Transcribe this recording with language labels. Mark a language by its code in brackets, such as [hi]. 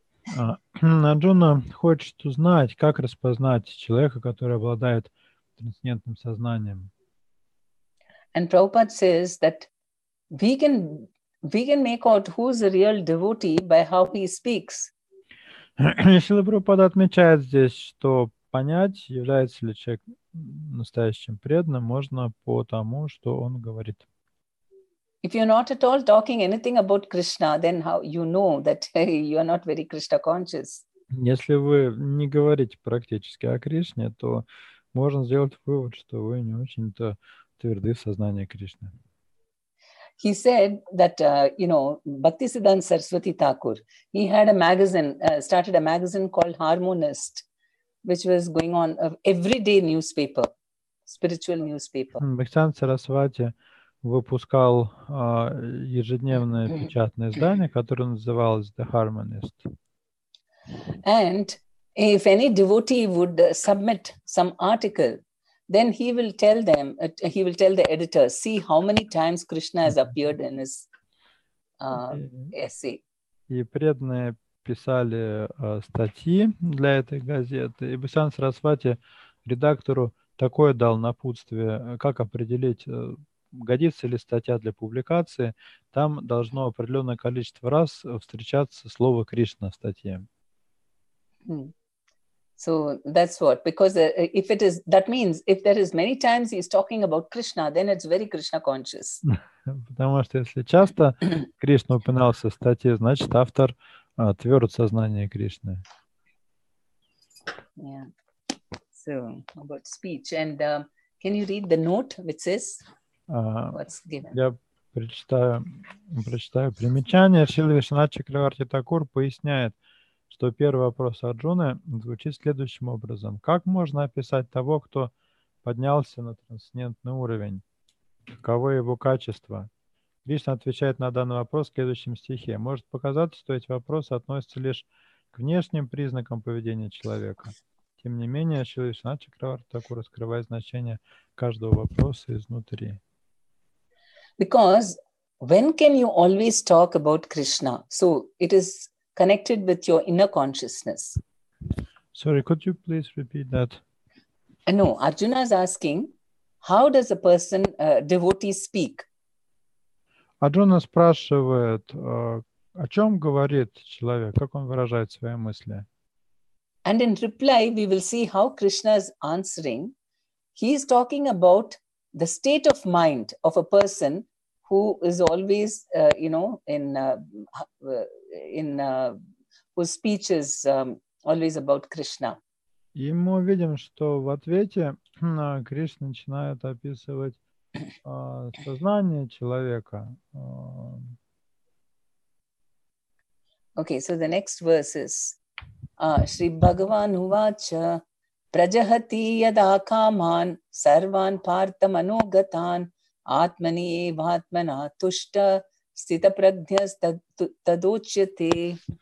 [ru] Арджуна хочет узнать, как распознать человека, который обладает трансцендентным сознанием. [en] And Prabhupada says that we can make out who is a real devotee by how he speaks. [ru] Шрила Прабхупада отмечает здесь, что понять, является ли человек настоящим преданным, можно по тому, что он говорит. [en] If you're not at all talking anything about Krishna, then how you know that you're not very Krishna conscious? [ru] Если вы не говорите практически о Кришне, то можно сделать вывод, что вы не очень-то тверды в сознании Кришны. [en] He said that, Bhaktisiddhanta Saraswati Thakur, he had a magazine, started a magazine called Harmonist. which was going on of everyday newspaper, spiritual newspaper. [ru] Бхактисиддханта Сарасвати выпускал ежедневное печатное издание, которое называлось The Harmonist. [en] And if any devotee would submit some article, then he will tell them, he will tell the editor, see how many times Krishna has appeared in his essay. [ru] И преданные писали статьи для этой газеты. И Бхактисиддханта Сарасвати редактору такое дал напутствие, как определить, годится ли статья для публикации. Там должно определенное количество раз встречаться слово Кришна в статье. [en] So that's what, because if it is, that means if there is many times he's talking about Krishna, then it's very Krishna conscious. [ru] Потому что если часто Кришна упоминался в статье, значит автор тверд в сознании Кришны. [en] Yeah. So about speech and can you read the note which says what's given? [ru] Я прочитаю примечание. Шрила Вишнуачарья Чакраварти Такур поясняет, что первый вопрос Арджуны звучит следующим образом. Как можно описать того, кто поднялся на трансцендентный уровень? Каково его качество? Кришна отвечает на данный вопрос в следующем стихе. Может показаться, что эти вопросы относятся лишь к внешним признакам поведения человека. Тем не менее, Шрила Вишнуачарья Чакраварти Такур раскрывает значение каждого вопроса изнутри. [en] Because when can you always talk about Krishna? So it is connected with your inner consciousness. Sorry, could you please repeat that? No, Arjuna is asking, how does a person, a devotee, speak? [ru] Arjuna спрашивает, о чем говорит человек, как он выражает свои мысли. [en] And in reply, we will see how Krishna is answering. He is talking about the state of mind of a person who is always, whose speech is always about Krishna. [ru] И мы видим, что в ответе Кришна начинает описывать сознание человека. [en] Okay, so the next verse is [sa] Shri Bhagavan Uvacha Prajahati Yadakaman Sarvan Partha Manogatan Atmani Vatmana Tushta Sita Pradhya Tadochyate.